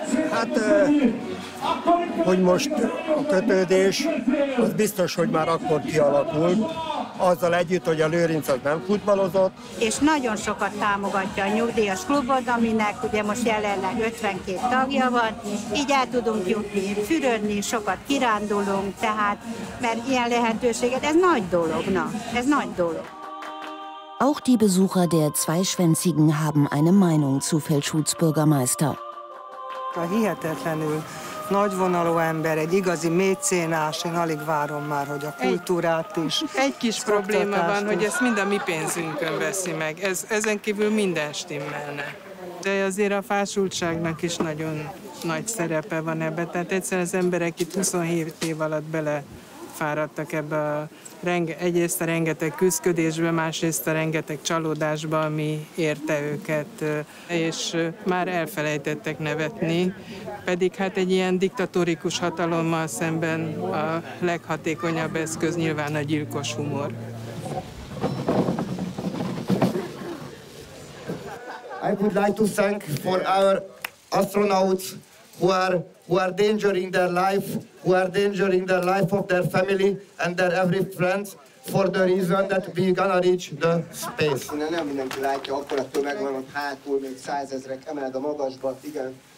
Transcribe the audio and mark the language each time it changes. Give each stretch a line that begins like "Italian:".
Hungarian: Hát, hogy most a kötődés, az biztos, hogy már akkor kialakult, azzal együtt, hogy a Lőrinc az nem futballozott. És nagyon sokat támogatja a nyugdíjas klubot, aminek ugye most jelenleg 52 tagja van, így el tudunk jutni, fürödni, sokat kirándulunk, tehát, mert ilyen lehetőséget, ez nagy dolog, na, ez nagy dolog.
German: Auch die Besucher der Zweischwänzigen haben eine Meinung zu Feldschulz Bürgermeister.
Hungarian: A hihetetlenül nagyvonalú ember, egy igazi mécénás, én alig várom már, hogy a kultúrát is. Egy kis probléma van, hogy ezt mind a mi pénzünkön veszi meg. Ezen kívül minden stimmelne. De azért a fásultságnak is nagyon nagy szerepe van ebben. Tehát egyszerűen az emberek itt 27 év alatt belefáradtak ebbe a egyrészt a rengeteg küszködésbe, másrészt a rengeteg csalódásba, ami érte őket, és már elfelejtettek nevetni. Pedig hát egy ilyen diktatórikus hatalommal szemben a leghatékonyabb eszköz nyilván a gyilkos humor.
English: I would like to thank for our astronauts who are endangering their life, who are endangering the life of their family and their every friends for the reason that we gonna reach the space.
Hungarian: Ne, nem mindenki látja, akkor a tömeg van ott hátul, még százezrek, emeled a magasba, igen.